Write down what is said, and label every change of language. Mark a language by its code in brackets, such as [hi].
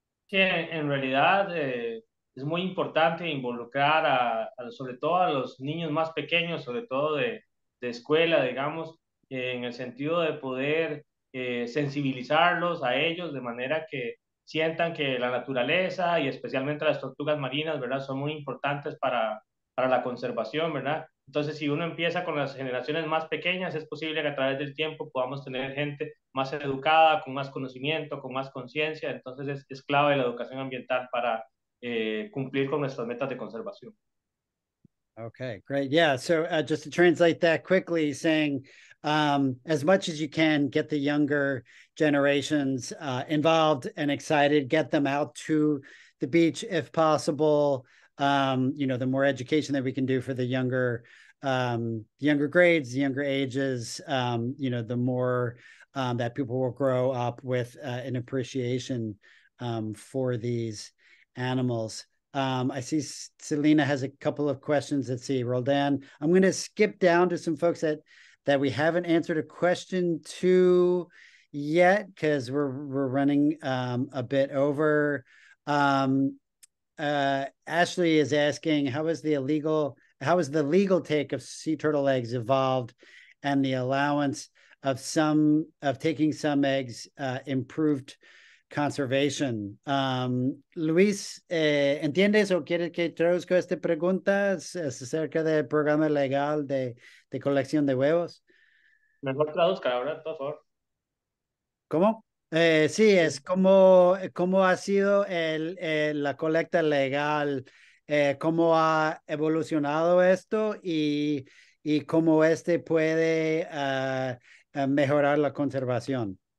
[es] Sí, en realidad es muy importante involucrar a sobre todo a los niños más pequeños, sobre todo de escuela, digamos, en el sentido de poder sensibilizarlos a ellos de manera que sientan que la naturaleza y especialmente las tortugas marinas, ¿verdad?, son muy importantes para la conservación, ¿verdad? Entonces, si uno empieza con las generaciones más pequeñas, es posible que a través del tiempo podamos tener gente más educada, con más conocimiento, con más conciencia. Entonces, es clave la educación ambiental para cumplir con nuestras metas de conservación. [en] Okay, great. Yeah, so just to translate that quickly, saying as much as you can, get the younger generations involved and excited, get them out to the beach if possible. You know, the more education that we can do for the younger grades, the younger ages, you know, the more that people will grow up with an appreciation for these animals. I see Selena has a couple of questions. Let's see, Roldan. I'm going to skip down to some folks that we haven't answered a question to yet because we're running a bit over. Ashley is asking, how is the legal take of sea turtle eggs evolved, and the allowance of some of taking some eggs improved conservation? [es] Luis, ¿entiendes o quieres que traduzco esta pregunta? Es acerca del programa legal de colección de huevos. Mejor traduzca ahora, por favor. ¿Cómo? Sí, es cómo ha sido la colecta legal, cómo ha evolucionado esto y cómo este puede mejorar la conservación.